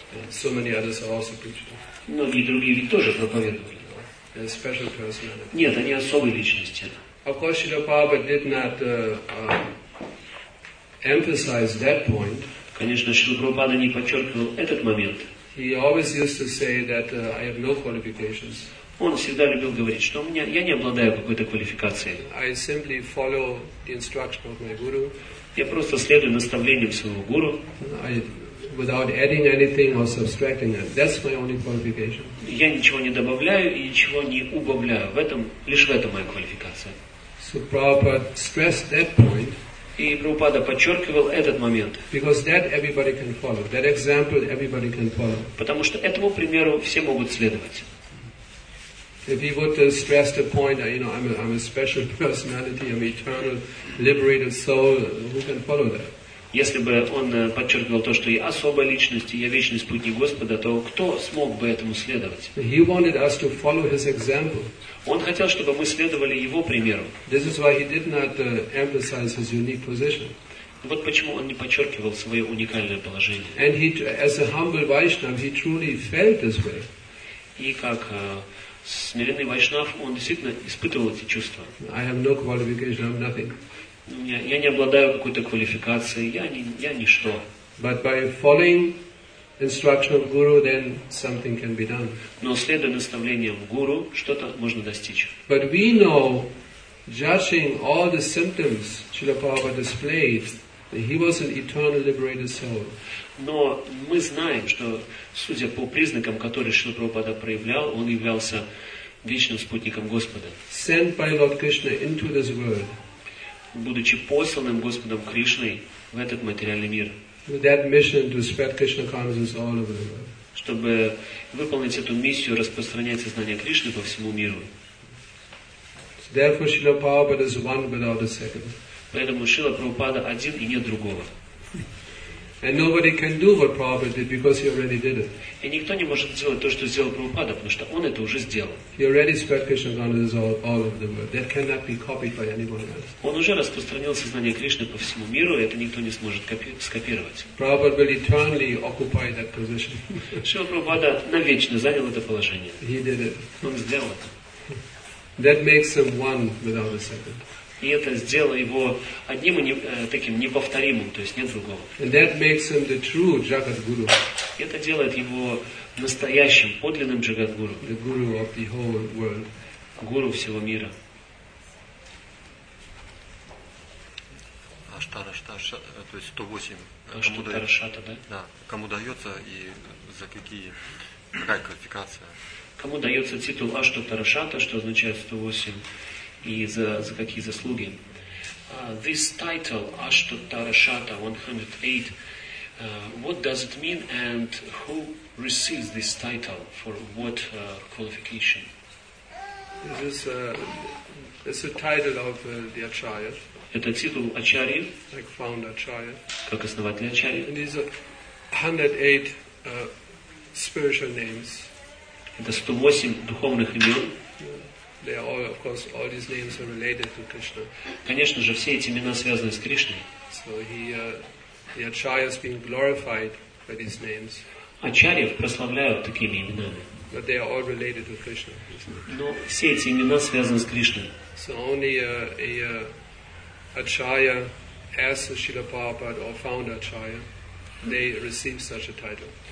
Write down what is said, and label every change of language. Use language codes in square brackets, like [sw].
[en] So many others are also preaching. [ru] Многие другие ведь тоже проповедовали. [en] A special personality. [ru] Нет, они особые личности. [en] Of course, Srila Prabhupada did not emphasize that point. [ru] Конечно, Шрила Прабхупада не подчеркивал этот момент. [en] He always used to say that I have no qualifications. [ru] Он всегда любил говорить, что я не обладаю какой-то квалификацией. [en] I simply follow the instruction of my guru. [ru] Я просто следую наставлениям своего гуру. [en] Without adding anything or subtracting it, that's my only qualification. [ru] Я ничего не добавляю и ничего не убавляю. В этом лишь в этом моя квалификация. [en] So Prabhupada stressed that point. [ru] И Прабхупада подчеркивал этот момент. [en] Because that everybody can follow. That example everybody can follow. [ru] Потому что этому примеру все могут следовать. [en] If he would stress the point, you know, I'm a special personality, I'm an eternal liberated soul, who can follow that? [ru] Если бы он подчеркивал то, что я особая личность, я вечный спутник Господа, то кто смог бы этому следовать? [en] He wanted us to follow his example. [ru] Он хотел, чтобы мы следовали его примеру. [en] This is why he did not emphasize his unique position. [ru] Вот почему он не подчеркивал свое уникальное положение. [en] And he, as a humble Vaishnav, he truly felt this way. [ru] И как смиренный вайшнав, он действительно испытывал эти чувства. [en] I have no qualification, I have nothing. [ru] Я не обладаю какой-то квалификацией, я ничто. [en] But by following instruction of guru, then something can be done. [ru] Но следуя наставлениям гуру, что-то можно достичь. [en] But we know, judging all the symptoms Srila Prabhupada displayed, that he was an eternal liberated soul. [ru] Но мы знаем, что, судя по признакам, которые Шрила Прабхупада проявлял, он являлся вечным спутником Господа. [en] Sent by Lord Krishna into this world. [ru] Будучи посланным Господом Кришной в этот материальный мир. [en] That mission to spread Krishna consciousness all over the world. [ru] Чтобы выполнить эту миссию, распространять сознание Кришны по всему миру. [en] So therefore, Srila Prabhupada is one without a second. [ru] Поэтому Шрила Прабхупада один и нет другого. [en] And nobody can do what Prabhupada did because he already did it. [ru] И никто не может сделать то, что сделал Прабхупада, потому что он это уже сделал. [en] He already spread Krishna consciousness all over the world. That cannot be copied by anyone else. [ru] Он уже распространил сознание Кришны по всему миру, и это никто не сможет скопировать. [en] Prabhupada will eternally occupy that position. [ru] Шрила Прабхупада навечно занял это положение. [en] He did it. [ru] Он сделал это. [en] That makes him one without a second. [ru] И это сделало его одним и таким неповторимым, то есть нет другого. [en] And that makes him the true Jagat Guru. [ru] Это делает его настоящим, подлинным Jagat Guru. [en] The Guru of the whole world. [ru] Гуру всего мира. Аштара, то есть 108. Аштарашата, да? Да. Кому дается и за какие, какая квалификация? Кому дается титул Аштарашата, что означает 108? И за какие заслуги. [en] This title, Ashtottarashata 108, what does it mean and who receives this title for what qualification? This is a title of the Acharya. [ru] Это титул Ачарьи. [en] Like founder Acharya. [ru] Как основатель Ачарьи. [en] And these are 108 spiritual names. [ru] Это 108 духовных имен. [en] They are all, of course, all these names are related to Krishna. [ru] Конечно же, все эти имена связаны с Кришной. [en] So the Acharya is being glorified by these names. [ru] Ачарьев прославляют такими именами. [en] But they are all related to Krishna. [ru] Но все эти имена связаны с Кришной. [en] So only a Acharya, as Srila Prabhupada or founder Acharya, they receive such a title.